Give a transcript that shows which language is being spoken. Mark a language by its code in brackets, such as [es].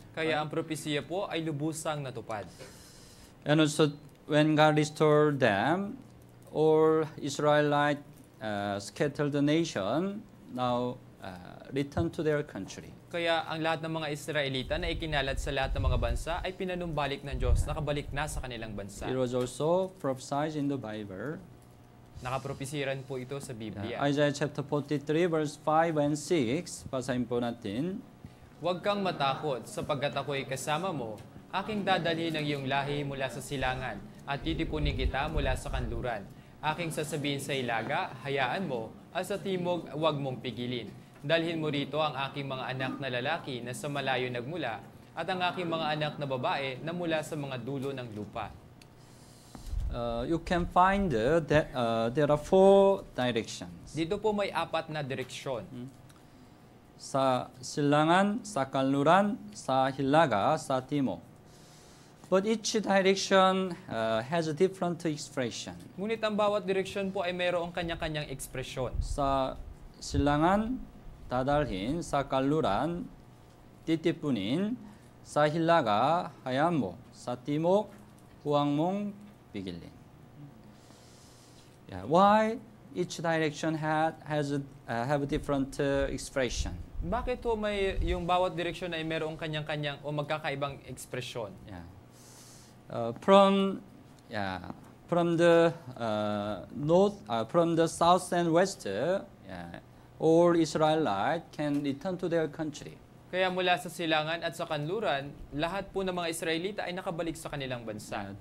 [tl] Kaya ang propesya po ay lubusang natupad. [en] And also, when God restored them, all Israelite scattered the nation now returned to their country. [tl] Kaya ang lahat ng mga Israelita na ikinalat sa lahat ng mga bansa ay pinanumbalik ng Diyos, nakabalik na sa kanilang bansa. [en] It was also prophesied in the Bible. [tl] Nakapropesiran po ito sa Biblia. [en] Yeah. Isaiah chapter 43 verse 5 and 6. [tl] Basahin po natin. Huwag kang matakot sapagkat ako'y kasama mo. Aking dadalhin ang iyong lahi mula sa silangan at titipunin kita mula sa kanluran. Aking sasabihin sa ilaga, hayaan mo, at sa timog, huwag mong pigilin. Dalhin mo rito ang aking mga anak na lalaki na sa malayo nagmula at ang aking mga anak na babae na mula sa mga dulo ng lupa. [en] You can find that there are four directions. [tl] Dito po may apat na direksyon. Sa silangan, sa kanluran, sa hilaga, sa timog. [en] But each direction has a different expression. [tl] Ngunit ang bawat direksyon po ay mayroong kanya-kanyang ekspresyon. Sa silangan, dadalhin, sa kanluran, titipunin, sa hilaga, hayaan mo, sa timog, huwag mong pigilin. Yeah. [en] Why each direction has a different expression? [tl] Bakit po may yung bawat direction ay merong kanyang-kanyang o magkakaibang expression? [en] From the north, from the south and west, all Israelites can return to their country. [tl] Kaya mula sa silangan at sa kanluran, lahat po ng mga Israelita ay nakabalik sa kanilang bansa.